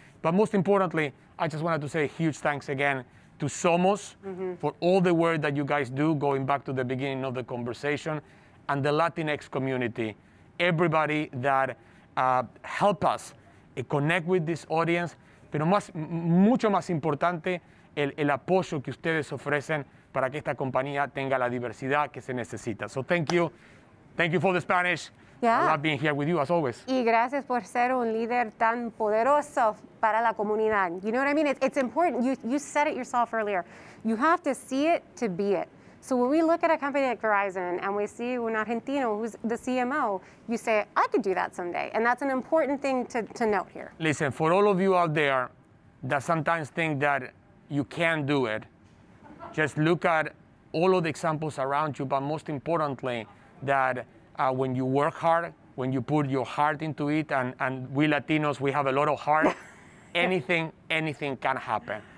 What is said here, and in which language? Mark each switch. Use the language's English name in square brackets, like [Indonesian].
[English] But most importantly, I just wanted to say a huge thanks again to Somos for all the work that you guys do, going back to the beginning of the conversation, and the Latinx community, everybody that help us connect with this audience, [Spanish] pero más, mucho más importante, el apoyo que ustedes ofrecen para que esta compañía tenga la diversidad que se necesita. [English] So thank you. Thank you for the Spanish. Yeah. I love being here with you, as always. [Spanish] Y gracias por ser un líder tan poderoso para la comunidad. [English] You know what I mean? It's important. You said it yourself earlier. You have to see it to be it. So when we look at a company like Verizon and we see [Spanish] un argentino [English] who's the CMO, you say, I could do that someday. And that's an important thing to note here. Listen, for all of you out there that sometimes think that you can do it, just look at all of the examples around you, but most importantly, that when you work hard, when you put your heart into it, and we Latinos, we have a lot of heart, anything can happen.